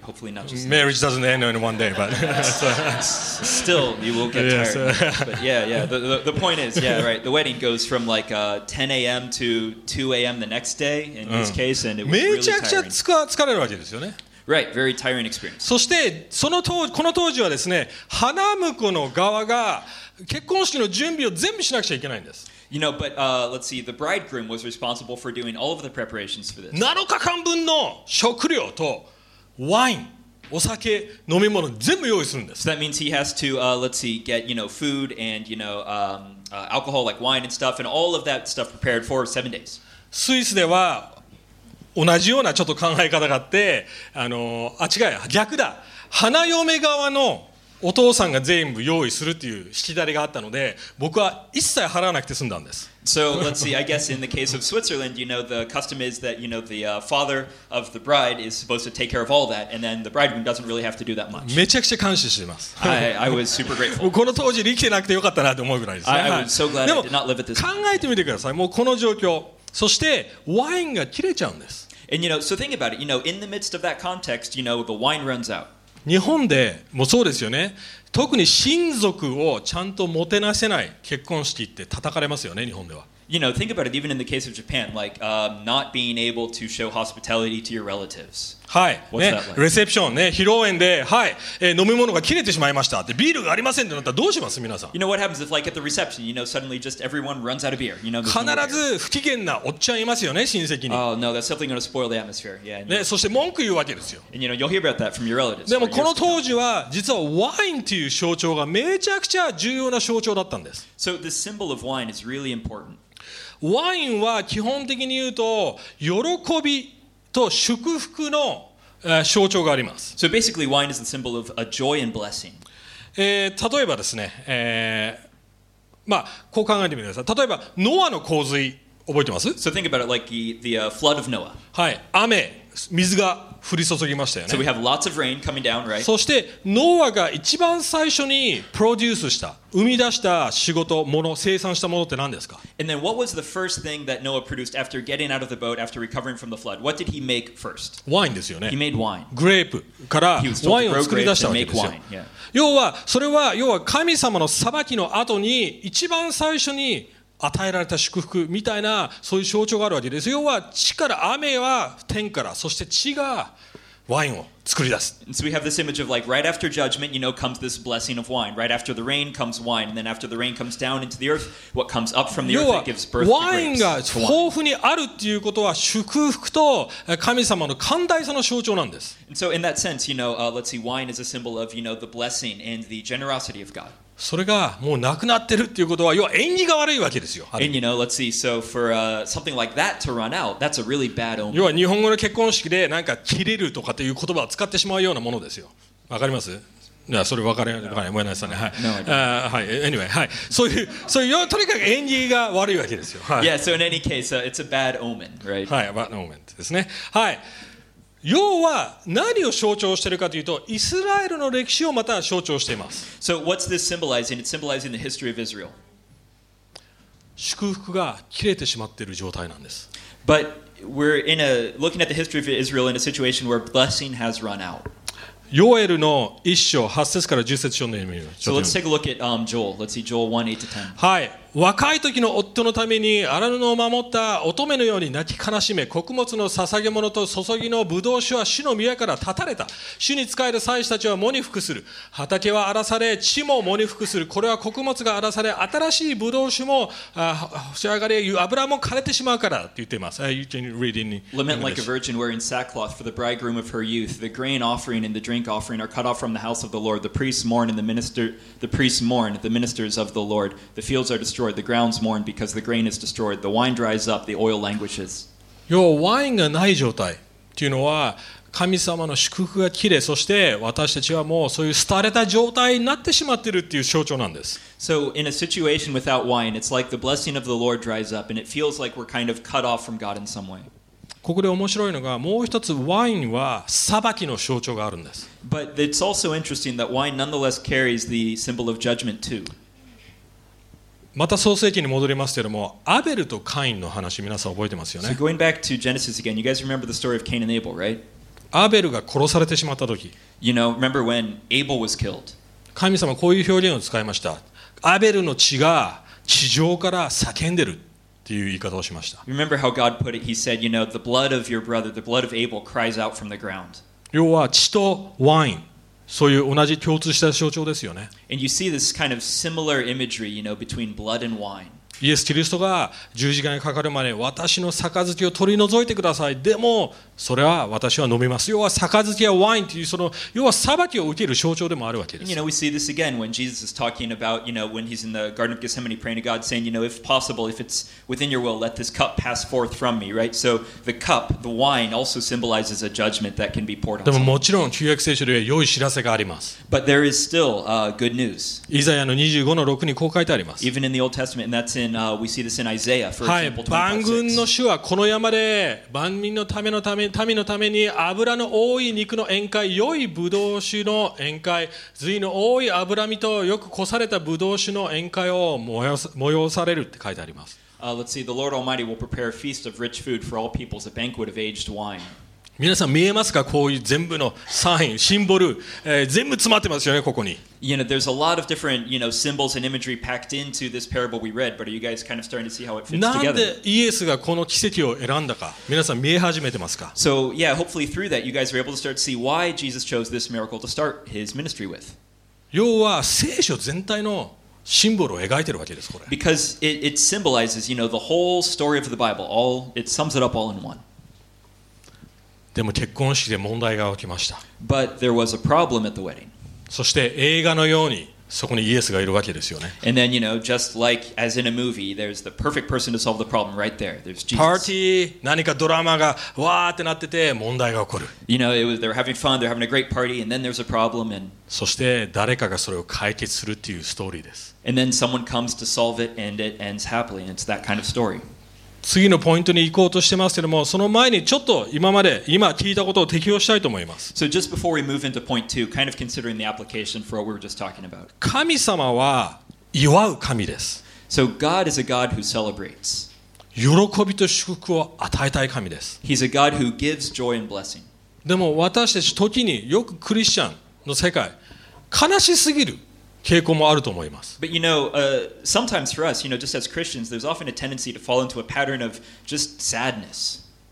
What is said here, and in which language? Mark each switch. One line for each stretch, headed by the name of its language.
English: Hopefully not just that. Marriage doesn't end in one day, but still, you will get tired. But yeah, yeah. The point is, yeah, right. The wedding goes from like 10 a.m. to 2 a.m. the next day in this case, and it was really tiring. Right, very tiring experience.
Japanese: そしてその当時この当時はですね、花婿の側が結婚式の準備を全部しなくちゃいけないんです。
English: You know, but let's see, the bridegroom was responsible for doing all of the preparations for this.
Japanese: 7日間分の食料とワイン。お酒、飲み物全部用意するんです。
English: So that means he has to, let's see, get, you know, food and, you know, alcohol like wine and stuff and all of that stuff prepared for 7 days.
Japanese: スイスでは同じようなちょっと考え方があって、違う、逆だ。花嫁側のお父さんが全部用意するっていうしきたりがあったので、僕は一切払わなくて済んだんです。
English: So let's see. I guess in the case of Switzerland, you know, the custom is that you know the father of the bride is supposed to take care of all that, and then the bridegroom doesn't really have to do that much.
Japanese: めちゃくちゃ感謝します。
English: I was super grateful.
Japanese: この当時生きてなくてよかったなと思うぐらいですね。
English: I was so glad I did not live at this.
Japanese: でも考えてみてください。もうこの状況、そしてワインが切れちゃうんです。
English: And you know, so think about it. You know, in the midst of that context, you know, the wine runs out.
Japanese: 日本でもそうですよね。特に親族をちゃんともてなせない結婚式って叩かれますよね、日本では。
English: You know, think about it, even in the case of Japan, like, not being able to show hospitality to your relatives. はい。What's that like?
Japanese: レセプションね、披露宴で、はい、飲み物が切れてしまいましたって、ビールがありませんってなったらどうします、皆さん。
English: You know, what happens if, like, at the reception, you know, suddenly just everyone runs out of beer. You know,
Japanese: 必ず不機嫌なおっちゃんいますよね、親戚に。
English: Oh, no, that's definitely going to spoil the atmosphere. Yeah,
Japanese: ね、そして文句言うわけですよ。
English: And, you know, you'll hear about that from your relatives.
Japanese: でもこの当時は、実はワインという象徴がめちゃくちゃ重要な象徴だったんです。
English: So, the symbol of wine is really important.
Japanese: ワインは基本的に言うと喜びと祝福の象徴があります。
English: So basically, wine is the symbol of a joy and blessing.
Japanese: 例えばですね、こう考えてみてください。例えばノアの洪水覚えてます
English: ？So think about it like the flood of Noah.
Japanese: はい、雨、水が降り注ぎましたよね。
English: So we have lots of rain coming down, right?
Japanese: そしてノアが一番最初にプロデュースした、生み出した仕事、もの、生産したものって何ですか
English: ？And then what was the first thing that Noah produced after getting out of the boat, after recovering from the flood? What did he make first?
Japanese: ワインですよね。
English: He made wine.
Japanese: グレープからワインを作り出したわけですよ。要はそれは要は神様の裁きの後に一番最初に与えられた祝福みたいなそういう象徴があるわけです。要は地から雨は天から、そして地がワインを作り出す。
English: So we have this image of like right after judgment, you know, comes this blessing of wine. Right after the rain comes wine, and then after the rain comes down into the earth, what comes up from the earth that gives birth to grapes.
Japanese: ワインが豊富にあるっていうことは祝福と神様の寛大さの象徴なんです。
English: And so in that sense, you know, let's see, wine is a symbol of you know the blessing and the generosity of God.
Japanese: それがもうなくなってるっていうことは要は縁起が悪いわけですよ。
English: And you know, let's see. So for something like that to run out, that's a really bad omen.
Japanese: 要は日本語の結婚式でなんか切れるとかっていう言葉を使ってしまうようなものですよ。わかります？いやそれわかりません。はい、ごめんなさいね。はい。はい。Anyway, はい。そういうとにかく縁起が悪いわけですよ。はい。
English: Yeah. So in any case, it's a bad omen, right?
Japanese: はい、
English: bad omen
Japanese: ですね。はい。要は何を象徴しているかというと、イスラエルの歴史をまた象徴しています。
English: So what's this symbolizing? It's symbolizing the history of Israel.
Japanese: 祝福が切れてしまっている状態なんです。
English: But we're in a looking at the history of Israel in a situation where blessing has run out.
Japanese: ヨエルの一章八節から十節読んでみましょう。
English: So let's take a look at Joel. Let's see Joel 1:8-10.
Japanese: はい。若い時の夫のために荒野を守った乙女のように泣き悲しめ、穀物の捧げ物と注ぎのぶどう酒は主の宮から断たれた。主に仕える祭司たちは喪に服する。畑は荒らされ、地も喪に服する。これは穀物が荒らされ、新しいぶどう酒も仕上がり、油も枯れてしまうからと言っています。
English: You can read in English. Lament like a virgin wearing sackcloth for the bridegroom of her youth. The grain offering and the drink offering are cut off from the house of the Lord. The priests mourn and the ministers of the Lord. The fields are destroyed. The grounds mourn because the grain is destroyed. The wine dries up. The oil languishes.
Japanese: 要はワインがない状態というのは神様の祝福が切れ、そして私たちはもうそういう廃れた状態になってしまっているという象徴なんです。
English: So in a situation without wine, it's like the blessing of the Lord dries up, and it feels like we're kind of cut off from God in some way.
Japanese: ここで面白いのがもう一つワインは裁きの象徴があるんです。
English: But it's also interesting that wine nonetheless carries the symbol of judgment too.
Japanese: また創世記に戻りますけれども、アベルとカインの話、皆さん覚えてますよね。
English: So going back to Genesis again, you guys remember the story of Cain and Abel, right?
Japanese: アベルが殺されてしまったとき。
English: You know, remember when Abel was killed.
Japanese: 神様はこういう表現を使いました。アベルの血が地上から叫んでるっていう言い方をしました。
English: Remember how God put it? He said, you know, the blood of your brother, the blood of Abel cries out from the ground.
Japanese: 要は血とワイン。そういう同じ共通した象徴ですよね。
English: And you see this kind of similar imagery, you know, between blood and wine.
Japanese: イエス・キリストが十字架にかかるまで私の杯を取り除いてください。でもそれは私は飲みます。要は杯やワインというその要は裁きを受ける象徴でもあるわけです。
English: You know, we see this again when Jesus is talking about, you know, when he's in the Garden of Gethsemane praying to God, saying, you know, if possible, if it's within your will, let this cup pass forth from me, right? So the cup, the wine, also symbolizes a judgment that can be poured on.
Japanese: でももちろん旧約聖書では良い知らせがあります。
English: But there is still good news.
Japanese: イザヤの25の6にこう書いてあります。
English: Even in the Old Testament, and that's in we see this in Isaiah, for example, 25:6.
Japanese: はい、万軍の主はこの山で万民のためのため民のために油の多い肉の宴会、良いブドウ酒の宴会、髄の多い脂身とよく濾されたブドウ酒の宴会を催されるって書いてあります。
English: Let's see, the Lord Almighty will prepare a feast of rich food for all peoples, a banquet of aged wine.
Japanese: 皆さん見えますか？こういう全部のサイン、シンボル、全部詰まってますよね、ここに。
English: You know, there's a lot of different, you know, symbols and imagery packed into this parable we read, but are you guys kind of starting to see how it fits together?
Japanese: なんでイエスがこの奇跡を選んだか、皆さん見え始めてますか？
English: So, yeah, hopefully through that, you guys are able to start to see why Jesus chose this miracle to start his ministry with. 要は聖書全体のシンボルを描いてるわけです、これ。 Because it symbolizes, you know, the whole story of the Bible. All, it sums it up all in one.
Japanese: でも結婚式で問題が起きました。
English: But there was a problem at the wedding.
Japanese: そして映画のようにそこにイエスがいるわけですよね。
English: And then, you know, just like as in a movie, there's the perfect person to solve the problem right there. There's Jesus. Party!
Japanese: 何かドラマがわーってなってて問題が起こる。
English: You know, they're having fun, they're having a great party, and then there's a problem. And...
Japanese: そして誰かがそれを解決するっていうストーリーです。
English: And then someone comes to solve it, and it ends happily, and it's that kind of story.
Japanese: 次のポイントに行こうとしてますけども、その前にちょっと今まで今聞いたことを適用したいと思います。
English: So just before we move into point two, kind of considering the application for what we were just talking about.
Japanese: 神様は祝う神です。
English: So God is a God who celebrates.
Japanese: 喜びと祝福を与えたい神です。
English: He's a God who gives joy and blessing.
Japanese: でも私たち時によくクリスチャンの世界、悲しすぎる。傾向もあると思います。
English: But you know, sometimes for us, you know, just as Christians, there's often a tendency to fall into a pattern of just sadness.